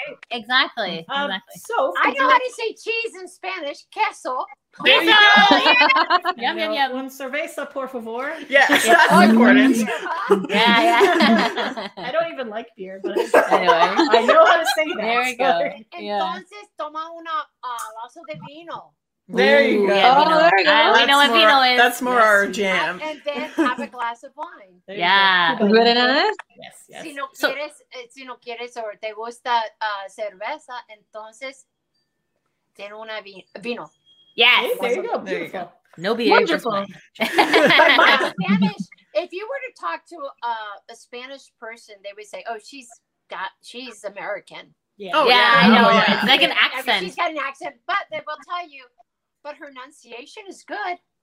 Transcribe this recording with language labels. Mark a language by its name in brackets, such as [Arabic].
[English] Exactly. So, I know how to say cheese in Spanish. [Spanish] Queso. Queso. Yum, yum, yum. Un cerveza, por favor. [English] Yes, yeah. That's important. Yeah, yeah. I don't even like beer, but anyway. I know how to say that. There you go. [Spanish] Entonces, toma una vaso de vino. [English] There you go. Yeah, oh, there you go. We know what vino is. That's more our jam. And then have a glass of wine. There yeah. Good enough. Yes. [Spanish] Si no quieres o te gusta cerveza, entonces ten una vino. [English] Yes. Hey, there you go. No beer. Wonderful. Spanish, if you were to talk to a Spanish person, they would say, oh, she's American. Yeah, I know. It's like an accent. I mean, she's got an accent, but they will tell you. But her enunciation is good.